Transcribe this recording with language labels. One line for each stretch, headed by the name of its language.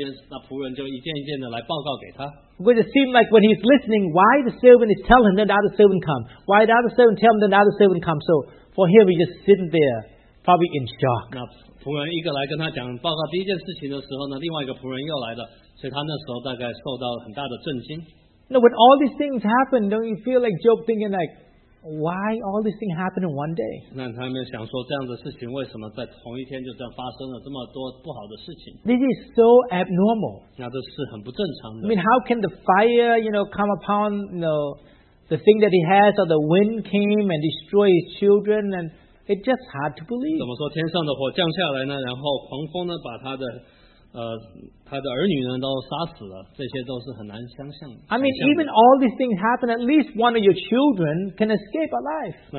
Chinese: 他还没有时间来反应呢，因为他站在那边，那仆人就一件一件的来报告给他。
English: Because it seemed like when he's listening, why the servant is telling him, then the other servant come. Why the other servant tell him, then the other servant come. So for him, he's just sitting there, probably in shock.
Chinese: 那仆人一个来跟他讲报告第一件事情的时候呢，另外一个仆人又来了，所以他那时候大概受到很大的震惊。
English: Now when all these things happen, don't you feel like Job thinking like, why all these things happen in one day?
Chinese: 那他们想说，这样的事情为什么在同一天就这样发生了这么多不好的事情？
English: This is so abnormal.
Chinese: 那这是很不正常的。
English: I mean, how can the fire, you know, come upon, you know, the thing that he has, or the wind came and destroyed his children, and it's just hard to believe.
Chinese: 怎么说天上的火降下来呢？然后狂风呢，把他的 他的儿女呢都杀死了，这些都是很难相象的。
English: I mean, even all these things happen, at least one of your children can escape alive.